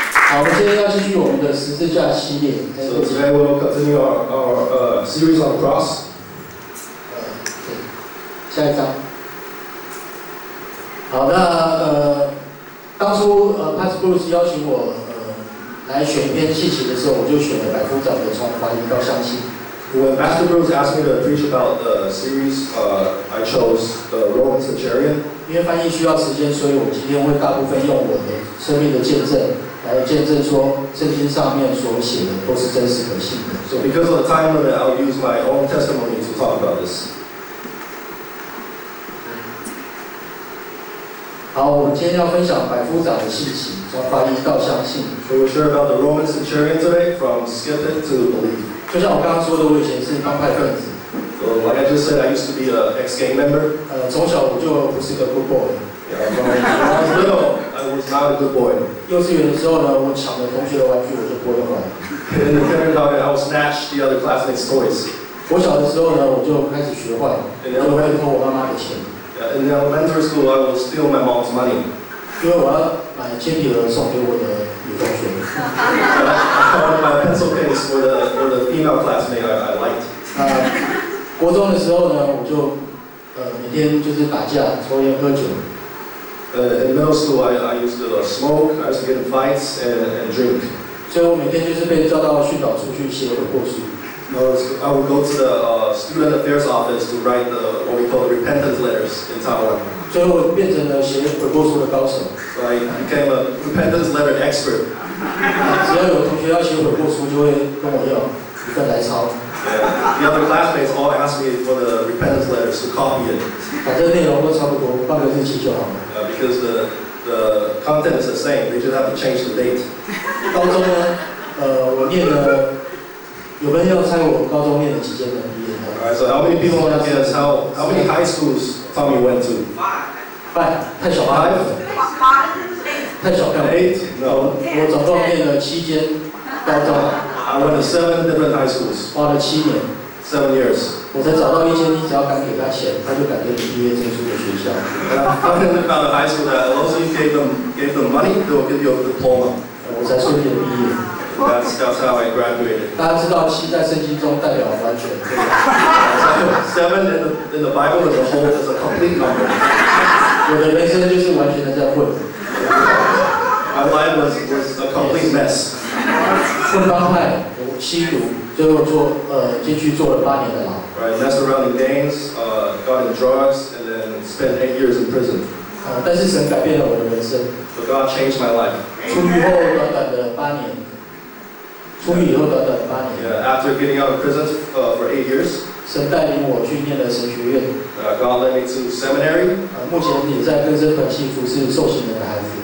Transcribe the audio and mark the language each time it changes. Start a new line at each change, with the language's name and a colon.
Chinese: 好，我们今天要继续我们的十字架系列。
English: So today we'll continue our series on the cross.
Chinese: 下一章。好，那当初Pastor Bruce 邀请我来选一篇信息的时候，我就选了百夫长的从怀疑到相信。
English: When Pastor Bruce asked me to preach about the series, I chose the Roman Centurion.
Chinese: 因为翻译需要时间，所以我今天会大部分用我的生命的见证来见证说圣经上面所写的都是真实可信的。
English: So because of the time limit, I'll use my own testimony to talk about this.
Chinese: 好，我们今天要分享百夫长的信息，从怀疑到相信。
English: So we'll share about the Roman centurion today, from skeptic to believe.
Chinese: 就像我刚刚说的，我以前是帮派分子。
English: Like I just said, I used to be an ex-gang member.
Chinese: 从小我就不是个
English: good boy. Yeah, from little, I was not a good boy.
Chinese: 幼稚园的时候呢，我抢了同学的玩具，我就不会玩。
English: In the kindergarten, I would snatch the other classmates' toys.
Chinese: 我小的时候呢，我就开始学坏，就会偷我妈妈的钱。
English: In elementary school, I would steal my mom's money.
Chinese: 因为我要买铅笔盒送给我的女同学。
English: I would buy pencil case for the female classmate I liked.
Chinese: 国中的时候呢，我就每天就是打架、抽烟、喝酒。
English: In middle school, I used to smoke, I used to get in fights and drink.
Chinese: 所以我每天就是被叫到训导处去写我的过失。
English: I would go to the student affairs office to write the what we call the repentance letters in Taiwan.
Chinese: 所以我变成了写悔过书的高手。
English: So I became a repentance letter expert.
Chinese: 只要有同学要写悔过书，就会跟我要一份来抄。
English: The other classmates all ask me for the repentance letters to copy it.
Chinese: 反正内容都差不多，换个日期就好了。
English: Because the content is the same, they just have to change the date.
Chinese: 高中呢，我念了。有没有要猜我高中念的几间的毕业
English: ？All right, so how many people want to guess how many high schools Tommy went to? Five.
Chinese: 太小看了。
English: Eight.
Chinese: 太小看了。
English: Eight. No.
Chinese: 我总共念了七间高中。
English: I went to seven different high schools.
Chinese: 花了七年。
English: Seven years.
Chinese: 我才找到一间，你只要敢给他钱，他就敢给你毕业证书的学校。
English: And I found about a high school that also you gave them money, they will give you a diploma.
Chinese: 我才顺利的毕业。
English: That's how I graduated.
Chinese: 大家知道七在圣经中代表完全。
English: Seven in the Bible as a whole is a complete number.
Chinese: 我的人生就是完全的在混。
English: My life was a complete mess.
Chinese: 混帮派，吸毒，最后做进去做了八年的牢。
English: Right, mess around in gangs, got in drugs, and then spent 8 years in prison.
Chinese: 但是神改变了我的人生。
English: But God changed my life.
Chinese: 出狱后短短的八年。出狱以后短短八年。
English: Yeah, after getting out of prison for 8 years.
Chinese: 神带领我去念了神学院。
English: God led me to seminary.
Chinese: 目前也在更深团契服侍受洗人的孩子。